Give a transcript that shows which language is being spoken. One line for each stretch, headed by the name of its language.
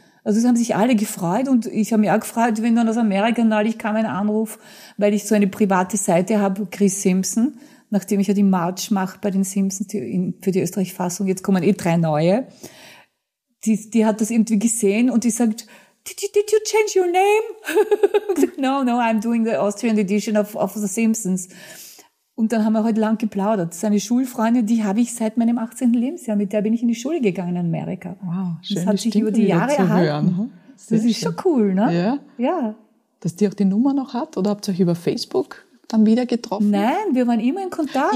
German: Also es haben sich alle gefreut und ich habe mich auch gefreut, wenn dann aus Amerika neulich kam ein Anruf, weil ich so eine private Seite habe, Chris Simpson, nachdem ich ja die March mache bei den Simpsons für die Österreich-Fassung, jetzt kommen eh 3 neue. Die hat das irgendwie gesehen und die sagt,
English: did you change your name? no, I'm doing the Austrian edition of the Simpsons.
German: Und dann haben wir heute lang geplaudert. Seine Schulfreundin, die habe ich seit meinem 18. Lebensjahr, mit der bin ich in die Schule gegangen in Amerika. Wow, schön. Das hat sich über die Jahre erhalten. Das ist schon cool, ne? Ja. Ja. Dass die auch die Nummer noch hat oder habt ihr euch über Facebook dann wieder getroffen? Nein, wir waren immer in Kontakt.